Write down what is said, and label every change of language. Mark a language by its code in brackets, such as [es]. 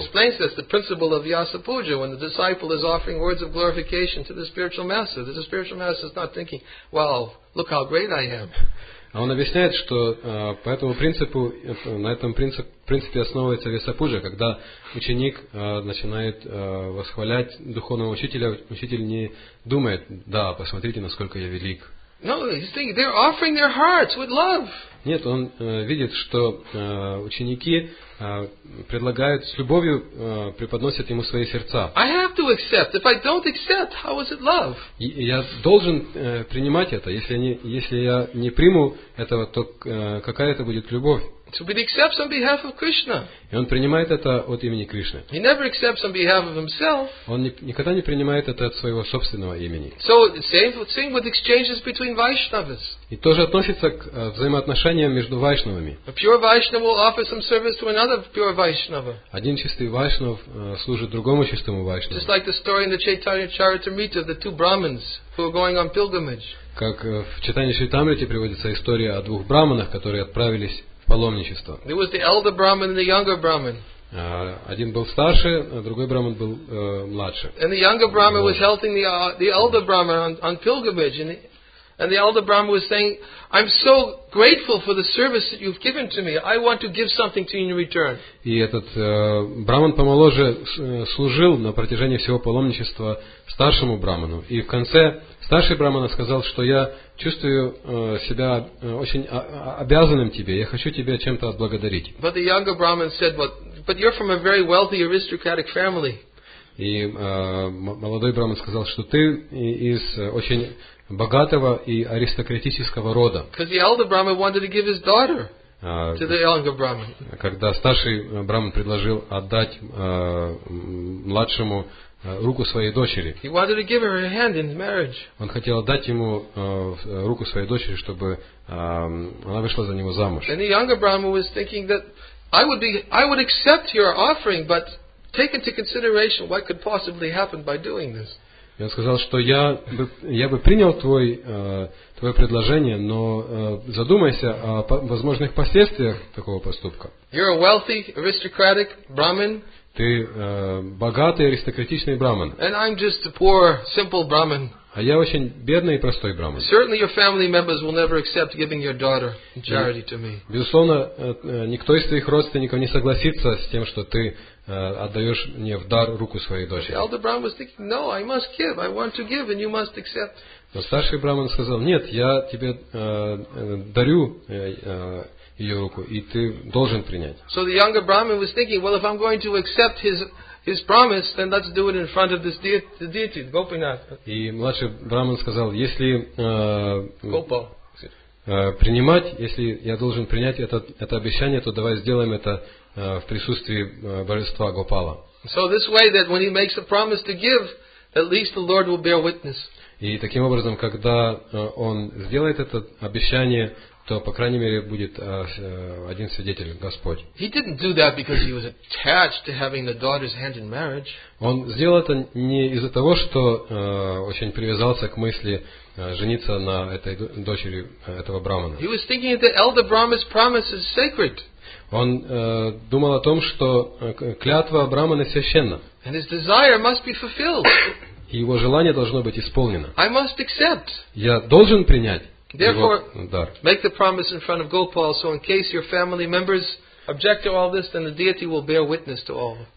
[en] Explains this, the principle of Vyasa Puja, when the disciple is offering words of glorification to the spiritual master. The spiritual master is not thinking, "Wow, look how great I am." [ru] А он объясняет, что по этому принципу, на этом принципе основывается Весапуджа, когда ученик начинает восхвалять духовного учителя, учитель не думает, да, посмотрите, насколько я велик. [en] No, he's thinking they're offering their hearts with love. [ru] Нет, он видит, что ученики предлагают с любовью, преподносят ему свои сердца. [en] I have to accept. If I don't accept, how is it love? [ru] Я должен принимать это. Если я не приму этого, то какая это будет любовь? [en] So he accepts on behalf of Krishna. [ru] И он принимает это от имени Кришны. [en] He never accepts on behalf of himself. [ru] Он никогда не принимает это от своего собственного имени. [en] So same with exchanges between Vaishnavas. [ru] И тоже относится к взаимоотношениям между вайшнавами. [en] A pure Vaishnava will offer some service to another pure Vaishnava. [ru] Один чистый вайшнав служит другому чистому вайшнаву. [en] Just like the story in the Chaitanya Charitamrita of the two Brahmins who are going on pilgrimage. [ru] Как в Чайтанья Чаритамрите приводится история о двух браманах, которые отправились в паломничество. [en] It was the elder Brahmin and the younger Brahmin. [ru] Один был старше, а другой браман был младше. [en] And the younger Brahmin was helping the elder Brahmin on pilgrimage, and the elder Brahmin was saying, "I'm so grateful for the service that you've given to me. I want to give something to you in return." [ru] И этот браман помоложе служил на протяжении всего паломничества старшему браману, и в конце старший брамана сказал, что я чувствую себя очень обязанным тебе, я хочу тебя чем-то отблагодарить. [en] But the younger brahmin said, but you're from a very wealthy aristocratic family. [ru] И молодой браман сказал, что ты из очень богатого и аристократического рода. [en] Because the elder brahmin wanted to give his daughter to the younger brahmin. [ru] Когда старший браман предложил отдать младшему руку своей дочери. [en] He wanted to give her a hand in marriage. [ru] Он хотел дать ему руку своей дочери, чтобы она вышла за него замуж. [en] And the younger Brahma was thinking that I would accept your offering, but take into consideration what could possibly happen by doing this. [ru] И он сказал, что я бы принял твое предложение, но задумайся о возможных последствиях такого поступка. [en] You're a wealthy aristocratic Brahmin. [ru] Ты богатый аристократичный браман. [en] And I'm just a poor, simple Brahmin. [ru] А я очень бедный и простой браман. [en] Certainly your family members will never accept giving your daughter in charity to me. [ru] Безусловно, никто из твоих родственников не согласится с тем, что ты отдаешь мне в дар руку своей дочери. [en] Elder Brahman was thinking, no, I must give. I want to give, and you must accept. [ru] Но старший браман сказал, нет, я тебе дарю ее руку, и ты должен принять. [en] So the younger Brahmin was thinking, well, if I'm going to accept his promise, then let's do it in front of this deity, Gopinath. [ru] И младший Брахман сказал, если Gopal, принимать, если я должен принять это обещание, то давай сделаем это в присутствии божества Гопала. [en] So this way that when he makes a promise to give, at least the Lord will bear witness. [ru] И таким образом, когда он сделает это обещание, то, по крайней мере, будет один свидетель, Господь. [en] He didn't do that because he was attached to having the daughter's hand in marriage. [ru] Он сделал это не из-за того, что очень привязался к мысли жениться на этой дочери этого брахмана. [en] He was thinking that elder brahmin's promise is sacred. [ru] Он думал о том, что клятва брахмана священна. [en] And his desire must be fulfilled. [ru] И его желание должно быть исполнено. [en] I must accept. [ru] Я должен принять. [en] Therefore, make the promise in front of Gopal, so in case your family members object to all this, then the deity will bear witness to all.